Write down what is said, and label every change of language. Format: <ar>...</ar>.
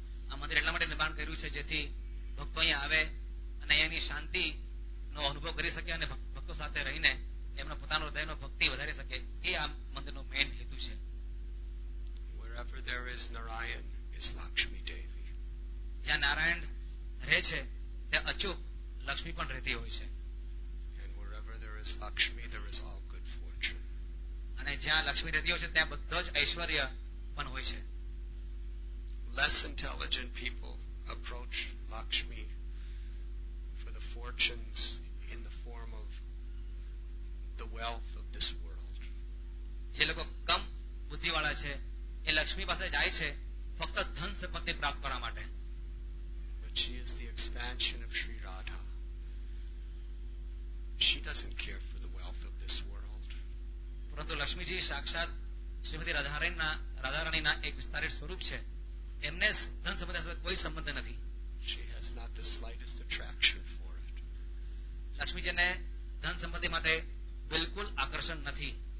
<gu>આ મંદિર એટલા માટે નિર્માણ કર્યું છે જેથી ભક્તો અહીંયા આવે અને અહીંયાની શાંતિ નો અનુભવ કરી શકે અને ભક્તો સાથે રહીને એમનો પોતાનો હૃદયનો ભક્તિ વધારી શકે એ આ મંદિરનો મેઇન હેતુ છે.</gu> <en>Wherever there is Narayan is Lakshmi Devi.</en> <gu>જ્યાં નારાયણ રહે છે ત્યાં અચૂક લક્ષ્મી પણ રહેતી હોય છે.</gu> <en>And wherever there is Lakshmi, there is all good fortune.</en> <gu>અને જ્યાં લક્ષ્મી રહેતી હોય છે ત્યાં બધો જ ઐશ્વર્ય પણ હોય છે.</gu> <en>Less intelligent people approach Lakshmi fortunes in the form of the wealth of this world.</en> <gu>જે લોકો કમ બુદ્ધિવાળા છે એ લક્ષ્મી પાસે જાય છે ફક્ત ધન સંપત્તિ પ્રાપ્ત કરવા માટે.</gu> <en>But she is the expansion of Sri Radha. She doesn't care for the wealth of this world.</en> <gu>તો લક્ષ્મીજી સાક્ષાત શ્રીમતી રાધારાણીના રાધારાણીના એક વિસ્તારિત સ્વરૂપ છે. એમને ધન સંપત્તિ સાથે કોઈ સંબંધ નથી. લક્ષ્મીજીને ધન સંપત્તિ માટે બિલકુલ આકર્ષણ નથી.</gu>